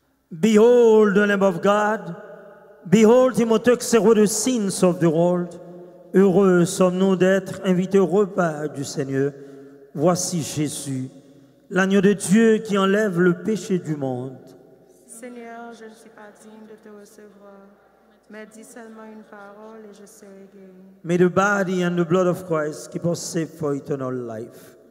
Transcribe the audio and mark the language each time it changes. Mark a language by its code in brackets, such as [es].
[en] Behold the Lamb of God. Behold him who takes away the sins of the world. [fr] Heureux sommes-nous d'être invités au repas du Seigneur. Voici Jésus, l'agneau de Dieu qui enlève le péché du monde. Seigneur, je ne suis pas digne de te recevoir, mais dis seulement une parole et je serai guéri. [en] May the body and the blood of Christ keep us safe for eternal life.